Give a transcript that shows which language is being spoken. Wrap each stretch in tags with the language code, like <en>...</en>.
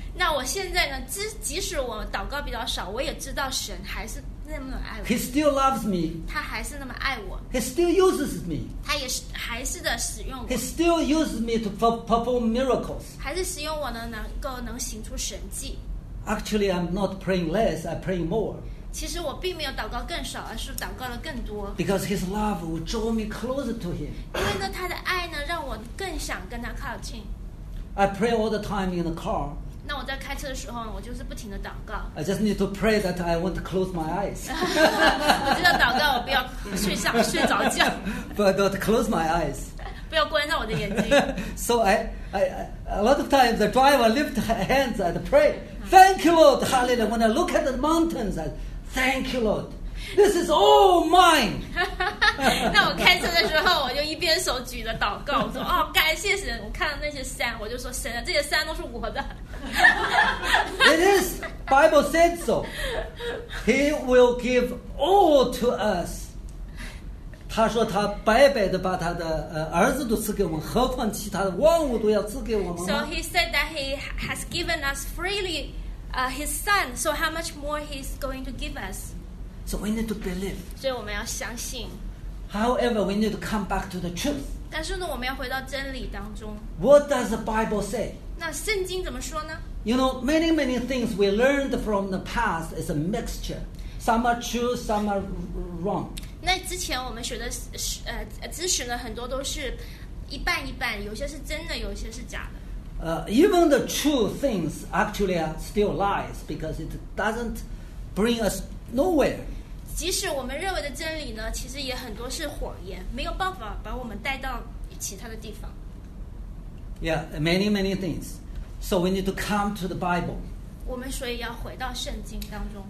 <zh>那我现在呢，即使我祷告比较少，我也知道神还是那么爱我。</zh> <en>He still loves me.</en> <zh>他还是那么爱我。</zh> <en>He still uses me.</en> <zh>他也是还是的使用我。</zh> <en>He still uses me to perform miracles.</en> <zh>还是使用我呢，能行出神迹。</zh> <en>Actually, I'm not praying less. I pray more.</en> <zh>其实我并没有祷告更少，而是祷告了更多。</zh> <en>Because His love will draw me closer to Him.</en> <zh>因为呢，他的爱呢，让我更想跟他靠近。</zh> <en>I pray all the time in the car.</en> <zh>那我在开车的时候呢，我就是不停的祷告。</zh> <en>I just need to pray that I won't close my eyes.</en> <zh>我就要祷告，我不要睡着觉。</zh> <en>But don't close my eyes.</en> <zh>不要关上我的眼睛。</zh> <en>So a lot of times the driver lift hands and pray, "Thank you, Lord, hallelujah." When I look at the mountains, I thank you, Lord. This is all mine.</en> <zh>那我开车的时候，我就一边手举着祷告，我说：“哦，感谢神！我看到那些山，我就说，神啊，这些山都是我的。”</zh> <en>It is. Bible said so. He will give all to us.</en> <zh>他说他白白的把他的儿子都赐给我们，何况其他的万物都要赐给我们。</zh> <en>So he said that he has given us freely, his son. So how much more he's going to give us? So we need to believe.</en> <zh>所以我们要相信。</zh> <en>However, we need to come back to the truth.</en> <zh>但是呢，我们要回到真理当中。</zh> <en>What does the Bible say?</en> <zh>那圣经怎么说呢？</zh> <en>You know, many many things we learned from the past is a mixture. Some are true, some are wrong.</en> <zh>那之前我们学的知识呢，很多都是一半一半，有些是真的，有些是假的。</zh> <en>Even the true things actually are still lies because it doesn't bring us nowhere.</en> <zh>即使我们认为的真理呢，其实也很多是谎言，没有办法把我们带到其他的地方。</zh> <en>Yeah, many, many things. So we need to come to the Bible.</en> <zh>我们所以要回到圣经当中。</zh>